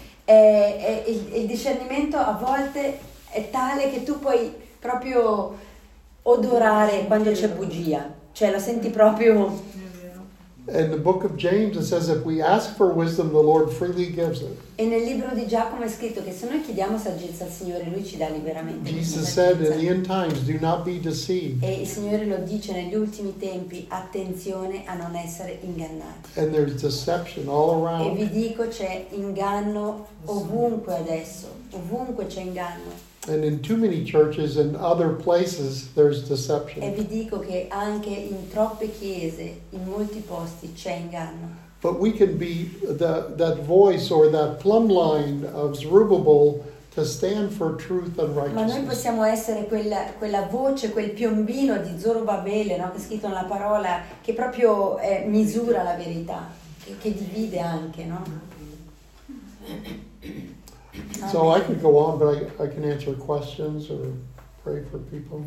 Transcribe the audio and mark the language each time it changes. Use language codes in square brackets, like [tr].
[it] Il discernimento a volte è tale che tu puoi proprio odorare quando c'è bugia, cioè lo senti proprio. [en] In the book of James it says if we ask for wisdom the Lord freely gives it. [it] E nel libro di Giacomo è scritto che se noi chiediamo saggezza al Signore lui ci dà liberamente. [en] Jesus said in the end times do not be deceived. [it] E il Signore lo dice negli ultimi tempi attenzione a non essere ingannati. [en] And there's deception all around. [it] E vi dico c'è inganno ovunque adesso, ovunque c'è inganno. [en] And in too many churches and other places there's deception. [it] E vi dico che anche in troppe chiese, in molti posti c'è inganno. [en] But we can be that voice or that plumb line of Zerubbabel to stand for truth and righteousness. [it] Ma noi possiamo essere quella voce, quel piombino di Zerubbabele, no? Che è scritto nella parola, che proprio misura la verità. che divide anche, no? [en] So I could go on, but I can answer questions or pray for people.